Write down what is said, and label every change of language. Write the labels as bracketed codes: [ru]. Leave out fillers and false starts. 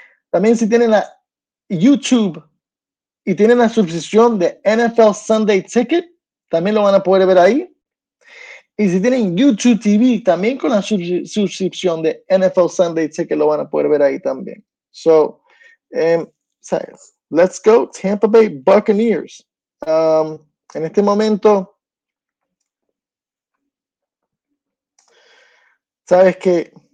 [es] También si tienen la YouTube y tienen la suscripción de NFL Sunday Ticket, también lo van a poder ver ahí. Y si tienen YouTube TV, también con la suscripción de NFL Sunday Ticket, lo van a poder ver ahí también. [en] So, let's go Tampa Bay Buccaneers. [es] En este momento, ¿sabes qué?